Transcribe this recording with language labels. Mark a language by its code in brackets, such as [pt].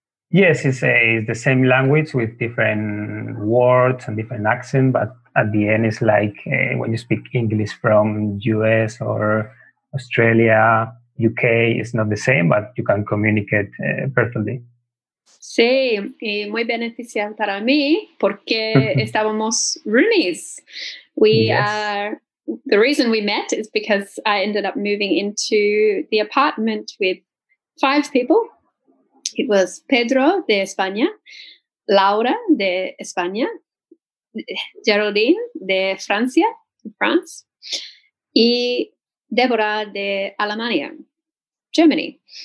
[en] Yes, it's the same language with different words and different accent, but at the end it's like when you speak English from US or Australia, UK, it's not the same, but you can communicate perfectly. [es] Sí, y muy beneficial para mí porque estábamos roomies. [en] The reason we met is because I ended up moving into the apartment with 5 people. It was Pedro de España, Laura de España, Geraldine de Francia, France, y Deborah de Alemania, Germany.